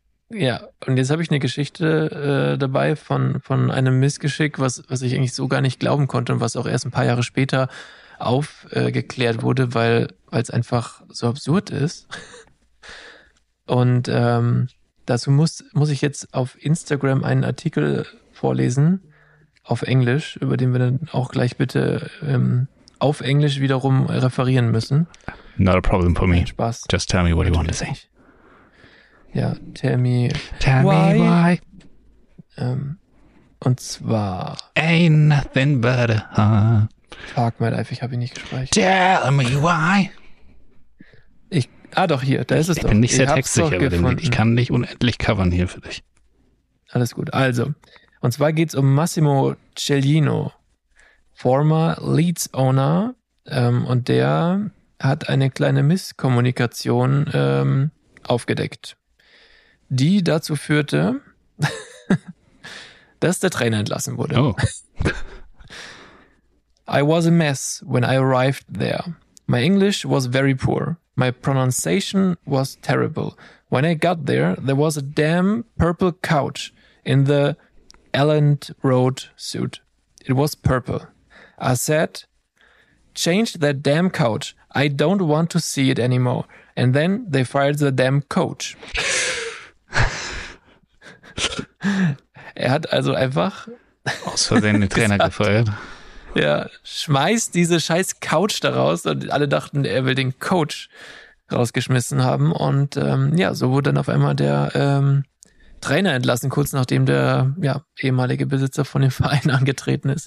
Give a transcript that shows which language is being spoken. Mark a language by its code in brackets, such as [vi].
[de] Ja, und jetzt habe ich eine Geschichte dabei von einem Missgeschick, was ich eigentlich so gar nicht glauben konnte und was auch erst ein paar Jahre später aufgeklärt wurde, weil es einfach so absurd ist. Und dazu muss ich jetzt auf Instagram einen Artikel vorlesen, auf Englisch, über den wir dann auch gleich bitte auf Englisch wiederum referieren müssen. [en] Not a problem for me. [de] Spaß. [en] Just tell me what you want to say. [de] Ja, [en] tell me. Tell why? Me why. [de] Und zwar. [en] Ain't nothing but a heart. Fuck my life, [de] ich habe ihn nicht gespeichert. [en] Tell me why. [de] Doch hier, da ist es ich doch. Ich bin nicht sehr textsicher, aber ich kann nicht unendlich covern hier für dich. Alles gut, also. Und zwar geht's um Massimo Cellino, [en] former Leeds Owner, [de] und der hat eine kleine Misskommunikation aufgedeckt, die dazu führte, dass der Trainer entlassen wurde. Oh. [en] I was a mess when I arrived there. My English was very poor. My pronunciation was terrible. When I got there, there was a damn purple couch in the Elland Road suit. It was purple. I said, change that damn couch. I don't want to see it anymore. And then they fired the damn coach. [de] Er hat also einfach aus Versehen den Trainer gefeuert. Ja, schmeißt diese scheiß Couch da raus und alle dachten, er will den Coach rausgeschmissen haben. Und ja, so wurde dann auf einmal der Trainer entlassen, kurz nachdem der ehemalige Besitzer von dem Verein angetreten ist.